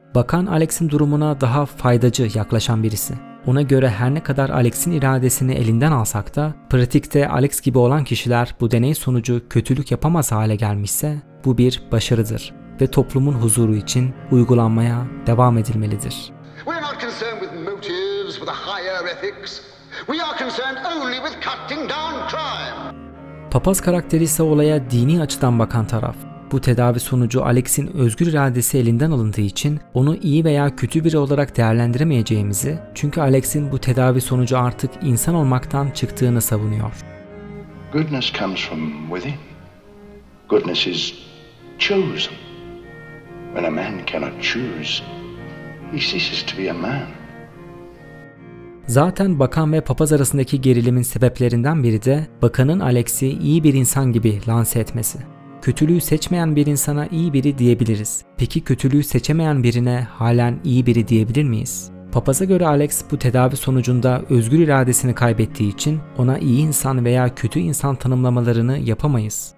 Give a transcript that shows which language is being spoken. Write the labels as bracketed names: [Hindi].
[Turkish] Bakan, Alex'in durumuna daha faydacı yaklaşan birisi. Ona göre her ne kadar Alex'in iradesini elinden alsak da, pratikte Alex gibi olan kişiler bu deney sonucu kötülük yapamaz hale gelmişse, bu bir başarıdır ve toplumun huzuru için uygulanmaya devam edilmelidir. [English] We're not concerned with motives for the higher ethics. We are concerned only with cutting down crime. [Turkish] Papaz karakteri ise olaya dini açıdan bakan taraf. Bu tedavi sonucu Alex'in özgür iradesi elinden alındığı için onu iyi veya kötü biri olarak değerlendiremeyeceğimizi, çünkü Alex'in bu tedavi sonucu artık insan olmaktan çıktığını savunuyor. [English] Goodness comes from within. Goodness is chosen. When a man cannot choose, he ceases to be a man. [Turkish] Zaten bakan ve papaz arasındaki gerilimin sebeplerinden biri de bakanın Alex'i iyi bir insan gibi lanse etmesi. Kötülüğü seçmeyen bir insana iyi biri diyebiliriz. Peki kötülüğü seçemeyen birine halen iyi biri diyebilir miyiz? Papaza göre Alex bu tedavi sonucunda özgür iradesini kaybettiği için ona iyi insan veya kötü insan tanımlamalarını yapamayız.